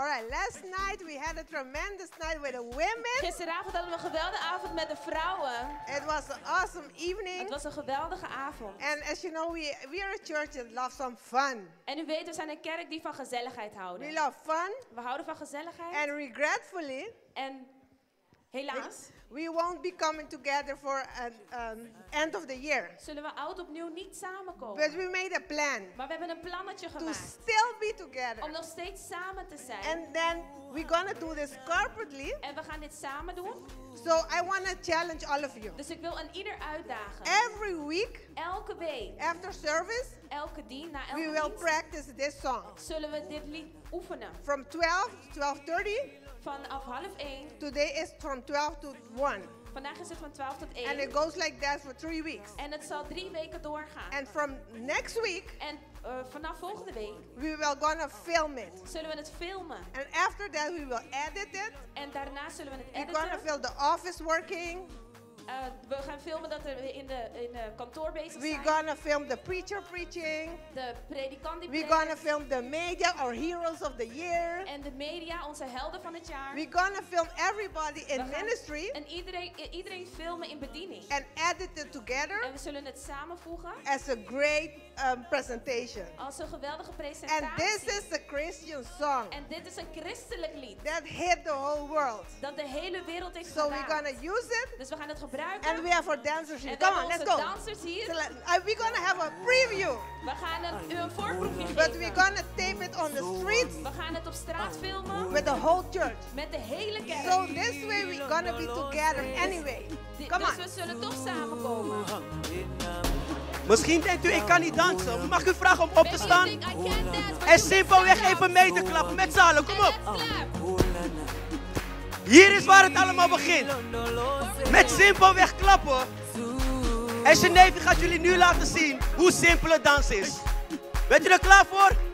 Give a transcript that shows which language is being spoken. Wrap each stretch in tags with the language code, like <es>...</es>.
<en>last night we had a tremendous night with the women.</en> <nl>Gisteravond hadden we een geweldige avond met de vrouwen.</nl> <en>It was an awesome evening.</en> <nl>Het was een geweldige avond.</nl> <en>And as you know, we are a church that loves some fun.</en> <nl>En u weet, we zijn een kerk die van gezelligheid houden.</nl> <en>We love fun.</en> <nl>We houden van gezelligheid.</nl> <en>And regretfully.</en> <nl>En helaas.</nl> <en>We won't be coming together for end of the year.</en> <nl>Zullen we oud opnieuw niet samenkomen?</nl> <en>But we made a plan.</en> <nl>Maar we hebben een plannetje gemaakt.</nl> <en>To still be together.</en> <nl>Om nog steeds samen te zijn.</nl> <en>And then we're gonna do this corporately.</en> <nl>En we gaan dit samen doen.</nl> <en>So I wanna challenge all of you.</en> <nl>Dus ik wil aan ieder uitdagen.</nl> <en>Every week.</en> <nl>Elke week.</nl> <en>After service.</en> <nl>Elke dien na elke we dienst.</nl> <en>We will practice this song.</en> <nl>Zullen we dit lied oefenen?</nl> <en>From 12 to 12:30.</en> <nl>Vanaf half 1.</nl> <en>Today is from 12 to 1.</en> <nl>Vandaag is het van 12 tot 1.</nl> <en>And it goes like that for 3 weeks.</en> <nl>En het zal 3 weken doorgaan.</nl> <en>And from next week.</en> <nl>En vanaf volgende week.</nl> <en>We will gonna film it.</en> <nl>Zullen we het filmen.</nl> <en>And after that we will edit it.</en> <nl>En daarna zullen we het editen.</nl> <en>We're gonna film the office working.</en> <nl>We gaan filmen dat we in de kantoor bezig zijn.</nl> <en>We're gonna film the preacher preaching.</en> <nl>De predikant die preekt.</nl> <en>We're gonna film the media, our heroes of the year.</en> <nl>En de media, onze helden van het jaar.</nl> <en>We're gonna film everybody in ministry.</en> <nl>En iedereen filmen in bediening.</nl> <en>And edit it together.</en> <nl>En we zullen het samenvoegen.</nl> <en>As a great presentation.</en> <nl>Als een geweldige presentatie.</nl> <en>And this is a Christian song.</en> <nl>En dit is een christelijk lied.</nl> <en>That hit the whole world.</en> <nl>Dat de hele wereld heeft geraakt.</nl> <en>So we're gonna use it.</en> <nl>Dus we gaan het.</nl> <en>And we have our dancers here.</en> <nl>En</nl> <en>come on, let's go. So we're going to have a preview.</en> <nl>We gaan een voorproefje geven.</nl> <en>But we're going to tape it on the streets.</en> <nl>We gaan het op straat filmen.</nl> <en>With the whole church.</en> <nl>Met de hele kerk.</nl> <en>So this way we're going to be together anyway. Come on.</en> <nl>Dus we zullen toch samenkomen. Misschien denkt u, ik kan niet dansen. Mag u vragen om op te staan? En simpelweg even mee te klappen met z'n allen. Kom op. Hier is waar het allemaal begint. Met simpelweg klappen. En zijn neef gaat jullie nu laten zien hoe simpel het dans is. Bent u er klaar voor?</nl>